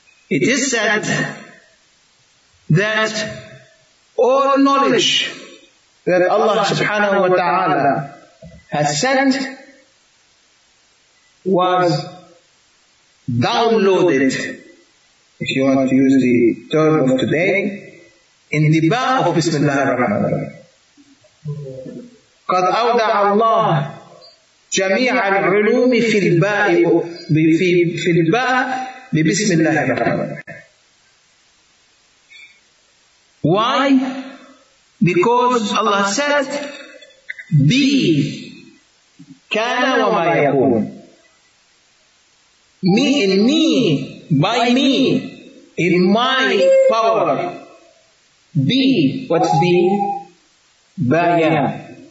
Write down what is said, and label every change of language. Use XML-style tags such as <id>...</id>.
<en>It is said that all knowledge that Allah subhanahu wa ta'ala has sent was downloaded, if you want to use the term of today, in the ba' of Bismillah ar-Rahman ar-Rahim.</en> <ar>قَدْ أَوْدَعَ اللَّهُ جَمِيعَ الْعُلُومِ فِي الْبَاءِ بِبِسْمِ اللَّهِ ar-Rahman ar-Rahim.</ar> <en>Why? Because Allah said, be</en> <ar>كان وما يكون.</ar> <en>me in me, by me, in my power, be, what's be? Baya.</en>